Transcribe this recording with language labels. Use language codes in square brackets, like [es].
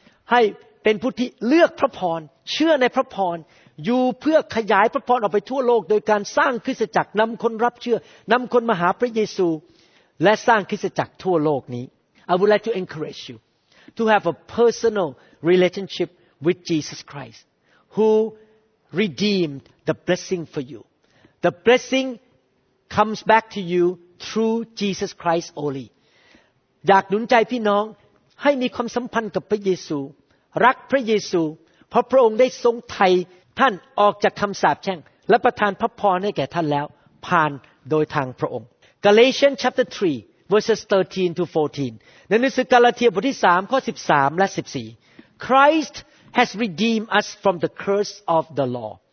[th] ให้เป็นผู้ที่เลือกพระพรเชื่อในพระพรอยู่เพื่อขยายพระพรออกไปทั่วโลกโดยการสร้างคริสตจักรนำคนรับเชื่อนำคนมาหาพระเยซูและสร้างคริสตจักรทั่วโลกนี้ [en] I would like to encourage you to have a personal relationship with Jesus Christwho redeemed the blessing for you. The blessing comes back to you through Jesus Christ only. [th] อยากหนุนใจพี่น้องให้มีความสัมพันธ์กับพระเยซูรักพระเยซูเพราะพระองค์ได้ทรงไถ่ ท่านออกจากคำสาปแช่งและประทานพระพรให้แก่ท่านแล้วผ่านโดยทางพระองค์ [en] Galatians chapter 3 verses 13 to 14. [th] ในหนังสือกาลาเทียบทที่3ข้อ13และ14 [en] ChristHas redeemed us from the curse of the law,